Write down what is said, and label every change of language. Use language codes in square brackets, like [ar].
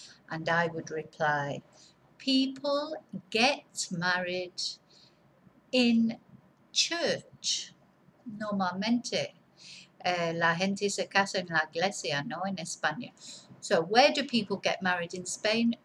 [en] And I would reply, people get married in church. [es] Normalmente, la gente se casa en la iglesia, no en España. [en] So where do people get married in Spain?